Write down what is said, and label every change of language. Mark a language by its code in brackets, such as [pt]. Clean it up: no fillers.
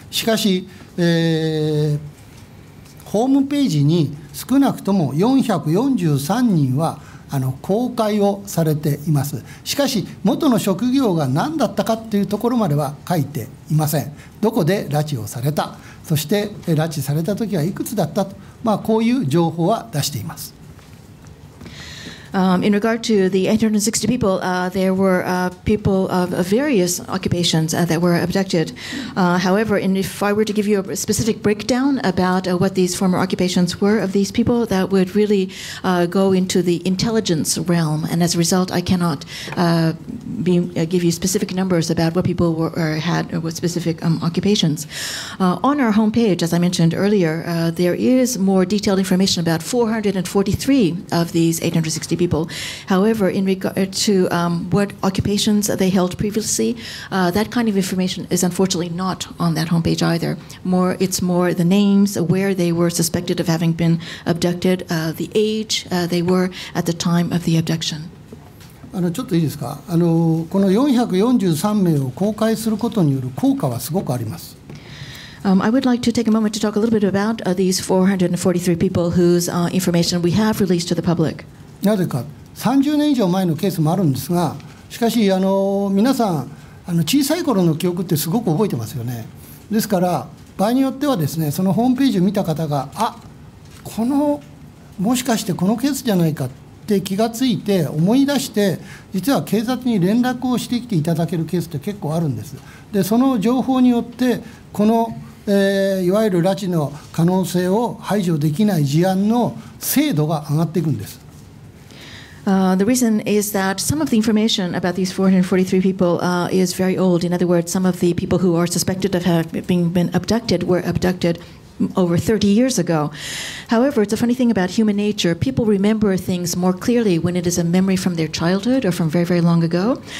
[ja] しかし、ホームページに少なくとも443人は公開をされています。しかし、元の職業が何だったかっていうところまでは書いていません。どこで拉致をされた、そして拉致された時はいくつだったと、まあ、こういう情報は出しています。 [en] In regard to the 860 people, there were people of various occupations that were abducted. However, and if I were to give you a specific breakdown about what these former occupations were of these people, that would really go into the intelligence realm. And as a result, I cannot give you specific numbers about what people were or had or what specific occupations. On our homepage, as I mentioned earlier, there is more detailed information about 443 of these 860 people. However, in regard to what occupations they held previously, that kind of information is unfortunately not on that homepage either. It's more the names, where they were suspected of having been abducted, the age they were at the time of the abduction. [ja] ちょっといいですか。この443名を公開することによる効果はすごくあります。 [en] I would like to take a moment to talk a little bit about these 443 people whose information we have released to the public. [ja] なぜか30年以上前のケースもあるんですが、しかし皆さん小さい頃の記憶ってすごく覚えてますよね。ですから場合によってはですね、そのホームページを見た方が、あ、このもしかしてこのケースじゃないかって気がついて思い出して、実は警察に連絡をしてきていただけるケースって結構あるんです。でその情報によって、このいわゆる拉致の可能性を排除できない事案の精度が上がっていくんです。 [en] The reason is that some of the information about these 443 people is very old. In other words, some of the people who are suspected of having been abducted were abducted over 30 years ago. However, it's a funny thing about human nature. People remember things more clearly when it is a memory from their childhood or from very, very long ago.